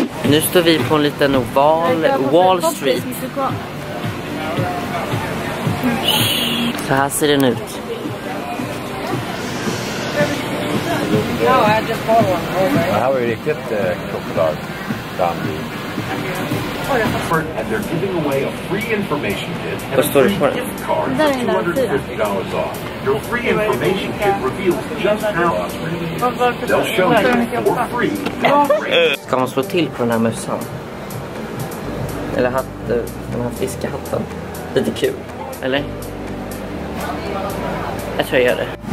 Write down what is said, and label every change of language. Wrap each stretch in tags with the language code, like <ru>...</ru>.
<sv>Nu står vi på en liten oval, Wall Street. Så här ser den ut. Det här var ju riktigt kopplad Dandy.</sv> <en>And they're giving away a free information kit and a free gift card for $250 off. Your free information kit reveals just how awesome it is. They'll show you for free.</en> <sv>Ska man slå till på den här mössan? Eller den här fiskehatten? Lite kul, eller? Jag tror jag gör det.</sv>